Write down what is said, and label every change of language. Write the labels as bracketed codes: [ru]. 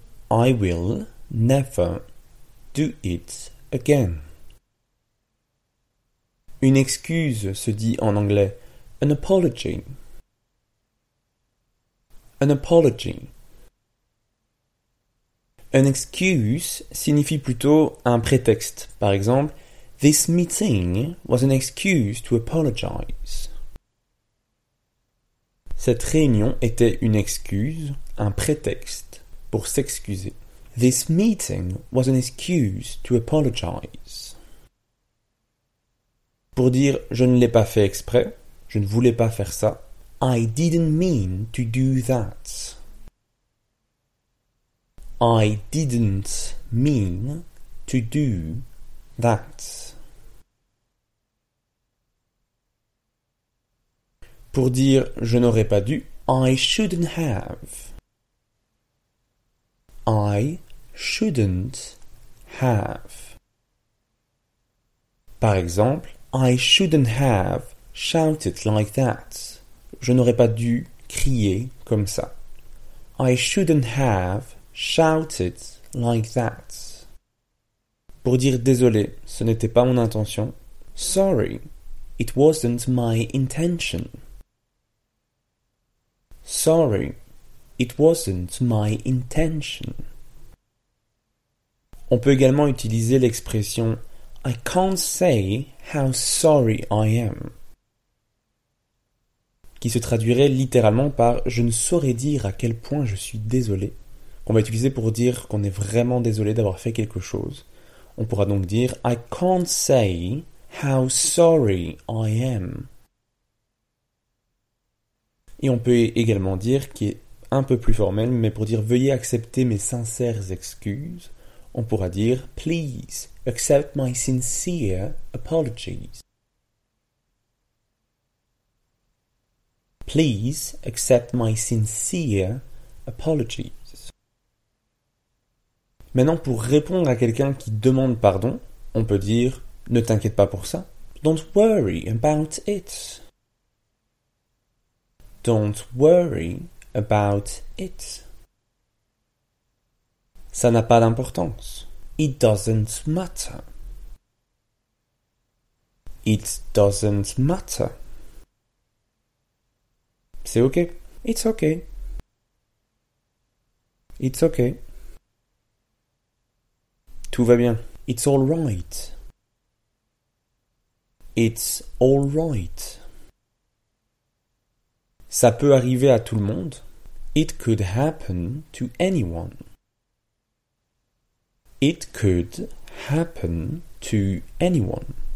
[en] I will never do it again. [fr] Une excuse se dit en anglais [en] an apology. An apology. An excuse [fr] signifie plutôt un prétexte. Par exemple, [en] this meeting was an excuse to apologize. [fr] Cette réunion était une excuse, un prétexte pour s'excuser. [en] This meeting was an excuse to apologize. [fr] Pour dire je ne l'ai pas fait exprès, je ne voulais pas faire ça. [en] I didn't mean to do that. I didn't mean to do that. [fr] Pour dire je n'aurais pas dû, [en] I shouldn't have. I shouldn't have. [fr] Par exemple, [en] I shouldn't have shouted like that. [fr] Je n'aurais pas dû crier comme ça. [en] I shouldn't have shouted like that. [fr] Pour dire désolé, ce n'était pas mon intention. [en] Sorry, it wasn't my intention. Sorry, it wasn't my intention. [fr] On peut également utiliser l'expression [en] I can't say how sorry I am, [fr] qui se traduirait littéralement par je ne saurais dire à quel point je suis désolé. Qu'on va utiliser pour dire qu'on est vraiment désolé d'avoir fait quelque chose. On pourra donc dire [en] I can't say how sorry I am. [fr] Et on peut également dire, qui est un peu plus formel, mais pour dire veuillez accepter mes sincères excuses, on pourra dire [en] please accept my sincere apologies. Please accept my sincere apologies. [fr] Maintenant, pour répondre à quelqu'un qui demande pardon, on peut dire « ne t'inquiète pas pour ça ». [en] « Don't worry about it ». « Don't worry about it ». [fr] Ça n'a pas d'importance. « [en] It doesn't matter ». « It doesn't matter ». [fr] C'est ok. [en] « It's ok ». « It's ok ». [fr] Tout va bien. [en] It's all right. It's all right. [fr] Ça peut arriver à tout le monde. [en] It could happen to anyone. It could happen to anyone.